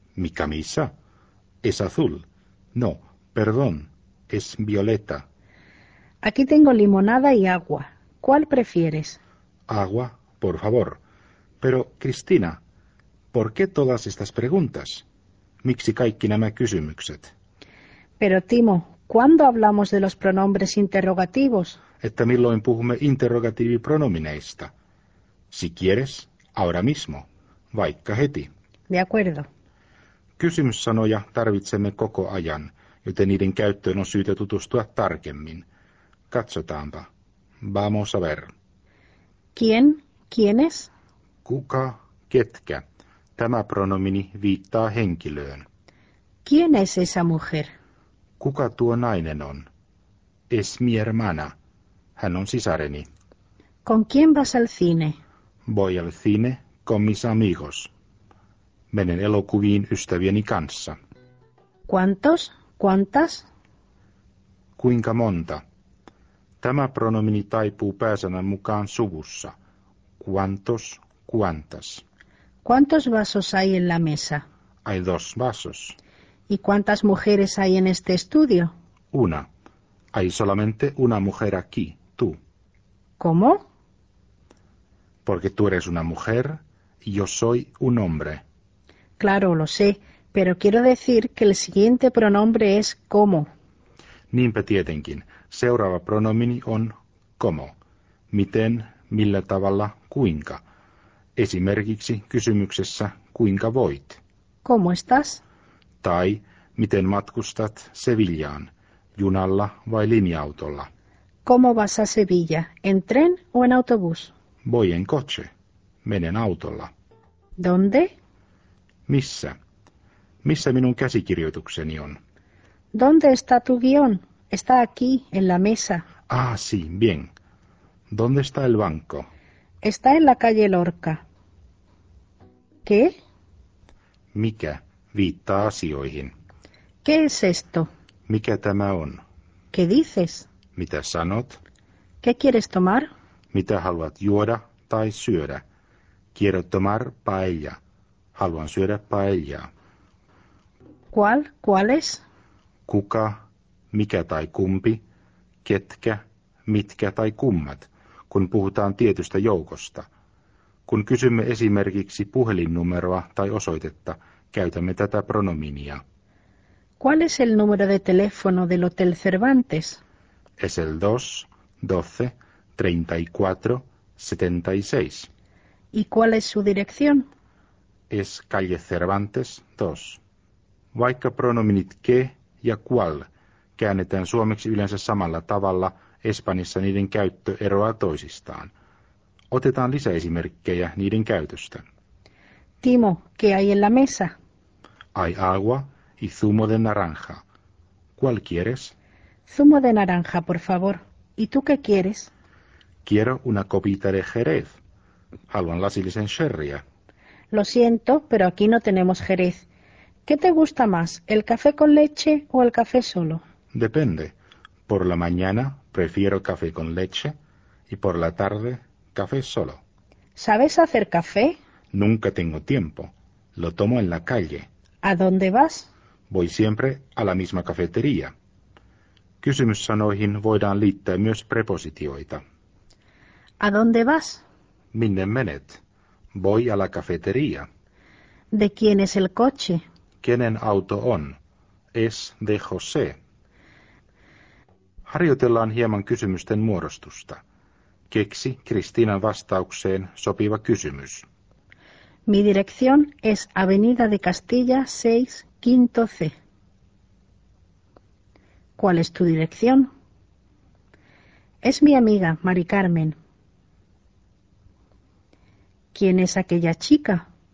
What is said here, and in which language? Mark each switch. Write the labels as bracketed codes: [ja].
[es] ¿Mi camisa? Es azul. No, perdón, es violeta. Aquí tengo limonada y agua. ¿Cuál prefieres? Agua, por favor. Pero, Cristina, ¿por qué todas estas preguntas? [fi] ¿Miksi kaikki nämä kysymykset? [es] Pero Timo, ¿cuándo hablamos de los pronombres interrogativos? [fi] Että milloin puhumme interrogatiivipronomineista. [es] Si quieres, ahora mismo. [fi] Vaikka heti. [es] De acuerdo. [fi] Kysymyssanoja tarvitsemme koko ajan, joten niiden käyttöön on syytä tutustua tarkemmin. Katsotaanpa. [es] Vamos a ver. ¿Quién? ¿Quiénes? [fi] Kuka? Ketkä? Tämä pronomini viittaa henkilöön. [es] ¿Quién es esa mujer? [fi] Kuka tuo nainen on? [es] Es mi hermana. [fi] Hän on sisareni. [es] ¿Con quién vas al cine? Voy al cine con mis amigos. [fi] Menen elokuviin ystävieni kanssa. [es] ¿Cuántos? ¿Cuántas? [fi] Kuinka monta? Tämä pronomini taipuu pääsanan mukaan suvussa. [es] ¿Cuántos? ¿Cuántas? ¿Cuántos vasos hay en la mesa? Hay dos vasos. ¿Y cuántas mujeres hay en este estudio? Una. Hay solamente una mujer aquí, tú. ¿Cómo? Porque tú eres una mujer y yo soy un hombre. Claro, lo sé, pero quiero decir que el siguiente pronombre es ¿cómo? [fi] Niinpä tietenkin. Seuraava pronomini on ¿cómo? Miten, millä tavalla, kuinka? Esimerkiksi kysymyksessä, kuinka voit? [es] ¿Cómo estás? [fi] Tai, miten matkustat Sevillaan, junalla vai linja-autolla? [es] ¿Cómo vas a Sevilla, en tren o en autobús? Voy en coche, [fi] menen autolla. [es] ¿Dónde? [fi] Missä? Missä minun käsikirjoitukseni on? [es] ¿Dónde está tu guión? Está aquí, en la mesa. Ah, sí, bien. ¿Dónde está el banco? Está en la calle Lorca. ¿Qué? [fi] Mikä viittaa asioihin? [es] ¿Qué es esto? [fi] Mikä tämä on? [es] ¿Qué dices? [fi] Mitä sanot? [es] ¿Qué quieres tomar? [fi] Mitä haluat juoda tai syödä? [es] Quiero tomar paella. [fi] Haluan syödä paellaa. [es] ¿Cuáles? [fi] Kuka, mikä tai kumpi, ketkä, mitkä tai kummat, kun puhutaan tietystä joukosta. Kun kysymme esimerkiksi puhelinnumeroa tai osoitetta, käytämme tätä pronominia. [es] ¿Cuál es el número de teléfono del Hotel Cervantes? Es el 212-34-76. ¿Y cuál es su dirección? Es calle Cervantes 2. [fi] Vaikka pronominit que ja cual käännetään suomeksi yleensä samalla tavalla, Espanjassa niiden käyttö eroaa toisistaan. Otetaan lisäesimerkkejä niiden käytöstä. [es] Timo, ¿qué hay en la mesa? Hay agua y zumo de naranja. ¿Cuál quieres? Zumo de naranja, por favor. ¿Y tú qué quieres? Quiero una copita de jerez. [fi] Haluan lasillisen sherryä. [es] Lo siento, pero aquí no tenemos jerez. ¿Qué te gusta más, el café con leche o el café solo? Depende. Por la mañana prefiero café con leche y por la tarde café solo. ¿Sabes hacer café? Nunca tengo tiempo. Lo tomo en la calle. ¿A dónde vas? Voy siempre a la misma cafetería. [fi] Kysymyssanoihin voidaan liittää myös prepositioita. [es] ¿A dónde vas? [fi] Minne menet? [es] Voy a la cafetería. ¿De quién es el coche? [fi] ¿Kenen auto on? [es] Es de José. [fi] Harjoitellaan hieman kysymysten muodostusta. Keksi Kristiinan vastaukseen sopiva kysymys. [es] Mi dirección es Avenida de Castilla 6, Quinto C. ¿Cuál es tu dirección? Es mi amiga, Mari Carmen. ¿Quién es aquella chica?